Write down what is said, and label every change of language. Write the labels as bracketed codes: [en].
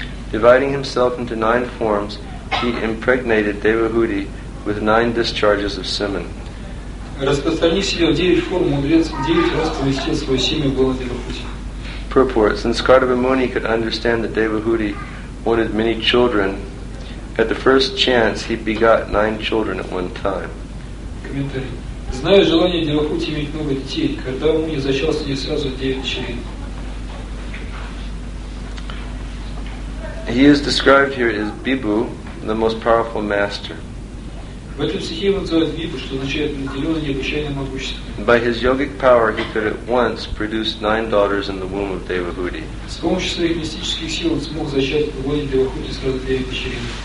[en] Dividing himself into 9 forms, he impregnated Devahuti with 9 discharges of semen. [ru] Распространив себя в 9 форм, мудрец 9 раз поместил свое семя в голову Девахути. [en] Purport. Since Kardama Muni could understand that Devahuti wanted many children, at the first chance he begot 9 children at one time. [ru] Комментарий. Зная желание Девахути иметь много детей, Кардама Муни зачал себе сразу 9 дочерей. [en] He is described here as Bibhu, the most powerful master. [ru] В этом стихе его называют Вибу, что означает наделенный необычайным могуществом. [en] By his yogic power, he could at once produce 9 daughters in the womb of Devahuti. [ru] С помощью своих мистических сил он смог зачать в лоне Девахути сразу 9 дочерей.